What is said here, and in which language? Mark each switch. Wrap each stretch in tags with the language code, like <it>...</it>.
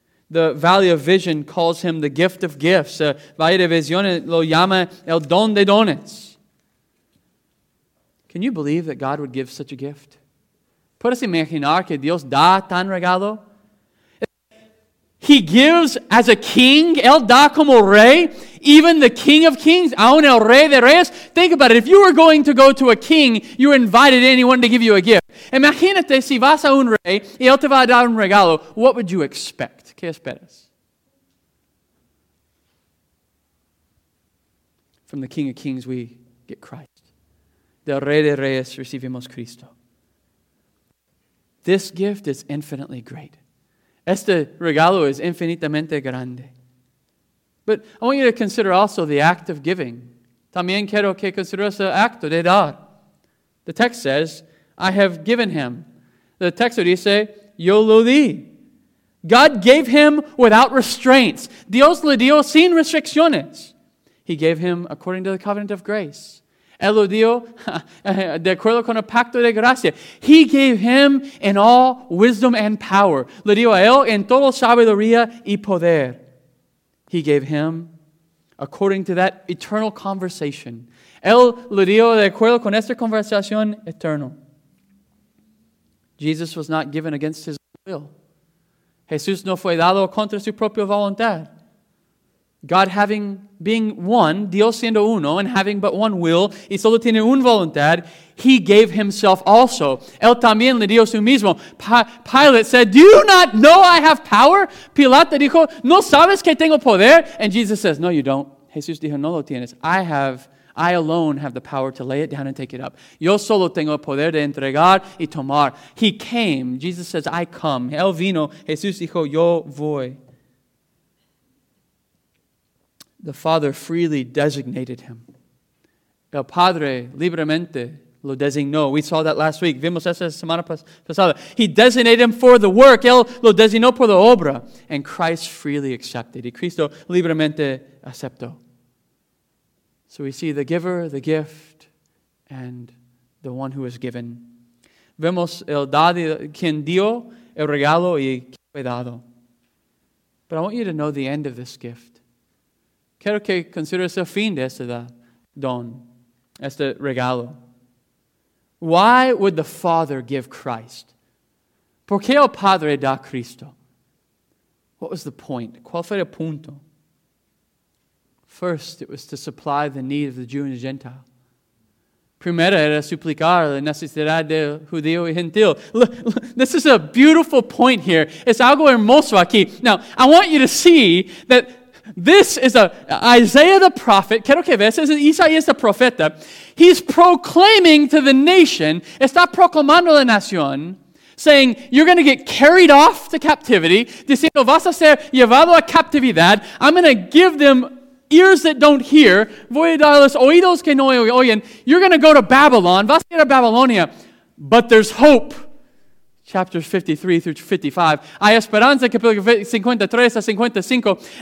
<en>The Valley of Vision calls him the gift of gifts.</en> <es>Valle de Vision lo llama el don de dones.</es> <en>Can you believe that God would give such a gift?</en> <es>¿Puedes imaginar que Dios da tan regalo?</es> <en>He gives as a king.</en> <es>Él da como rey.</es> <en>Even the king of kings.</en> <es>Aún el rey de reyes.</es> <en>Think about it. If you were going to go to a king, you were invited anyone to give you a gift.</en> <es>Imagínate si vas a un rey y él te va a dar un regalo.</es> <en>What would you expect?</en> <es>¿Qué esperas?</es> <en>From the King of Kings, we get Christ.</en> <es>Del Rey de Reyes, recibimos Cristo.</es> <en>This gift is infinitely great.</en> <es>Este regalo es infinitamente grande.</es> <en>But I want you to consider also the act of giving.</en> <es>También quiero que consideres el acto de dar.</es> <en>The text says, I have given him. The text</en> <es>dice, yo lo di.</es> <en>God gave him without restraints.</en> <es>Dios le dio sin restricciones.</es> <en>He gave him according to the covenant of grace.</en> <es>Él lo dio de acuerdo con el pacto de gracia.</es> <en>He gave him in all wisdom and power.</en> <es>Le dio a él en toda sabiduría y poder.</es> <en>He gave him according to that eternal conversation.</en> <es>Él le dio de acuerdo con esta conversación eterna.</es> <en>Jesus was not given against his will.</en> <es>Jesús no fue dado contra su propia voluntad.</es> <en>God having, being one,</en> <es>Dios siendo uno,</es> <en>and having but one will,</en> <es>y solo tiene una voluntad,</es> <en>he gave himself also.</en> <es>Él también le dio su mismo.</es> <en>Pilate said, do you not know I have power?</en> <es>Pilate dijo, ¿no sabes que tengo poder?</es> <en>And Jesus says, no, you don't.</en> <es>Jesús dijo, no lo tienes.</es> <en>I alone have the power to lay it down and take it up.</en> <es>Yo solo tengo el poder de entregar y tomar.</es> <en>He came. Jesus says, I come.</en> <es>Él vino. Jesús dijo, yo voy.</es> <en>The Father freely designated him.</en> <es>El Padre libremente lo designó.</es> <en>We saw that last week.</en> <es>Vimos esa semana pasada.</es> <en>He designated him for the work.</en> <es>Él lo designó por la obra.</es> <en>And Christ freely accepted.</en> <es>Y Cristo libremente aceptó.</es> <en>So we see the giver, the gift, and the one who is given.</en> <es>Vemos el dado, quien dio el regalo y quien fue dado.</es> <en>But I want you to know the end of this gift.</en> <es>Quiero que consideres el fin de este don, este regalo.</es> <en>Why would the Father give Christ?</en> <es>¿Por qué el Padre da Cristo?</es> <en>What was the point?</en> <es>¿Cuál fue el punto?</es> <en>First, it was to supply the need of the Jew and the Gentile.</en> <es>Primera era suplicar la necesidad del judío y gentil.</es> <en>Look, this is a beautiful point here.</en> <es>Es algo hermoso aquí.</es> <en>Now, I want you to see that this is Isaiah the prophet.</en> <es>Quiero que veas, es Isaías el profeta.</es> <en>He's proclaiming to the nation,</en> <es>está proclamando la nación,</es> <en>saying, you're going to get carried off to captivity.</en> <es>Diciendo, vas a ser llevado a captividad.</es> <en>I'm going to give them ears that don't hear,</en> <es>voy a darles oídos que no oyen,</es> <en>you're going to go to Babylon,</en> <es>vas a ir a Babylonia,</es> <en>but there's hope. chapters 53 through 55.</en> <es>Hay esperanza, capítulo 53 a 55.</es>